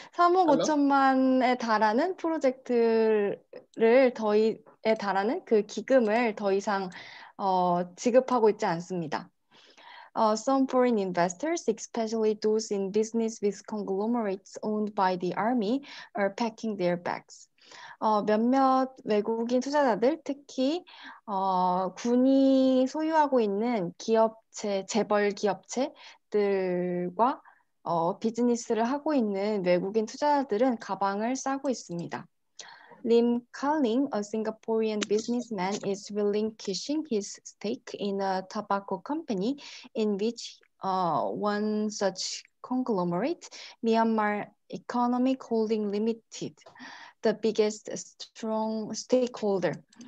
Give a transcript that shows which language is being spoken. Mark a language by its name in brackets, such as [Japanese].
[Korean] 3억 5천만에 달하는 프로젝트를 더에 달하는 그 기금을 더 이상 지급하고 있지 않습니다. [English] Some foreign investors, especially those in business with conglomerates owned by the army, are packing their bags. [Korean] 몇몇 외국인 투자자들, 특히 군이 소유하고 있는 기업체, 재벌 기업체들과 비즈니스를 하고 있는 외국인 투자자들은 가방을 싸고 있습니다. [English] Lim Kaling, a Singaporean businessman, is relinquishing his stake in a tobacco company in which one such conglomerate, Myanmar Economic Holding Limited, the biggest strong stakeholder.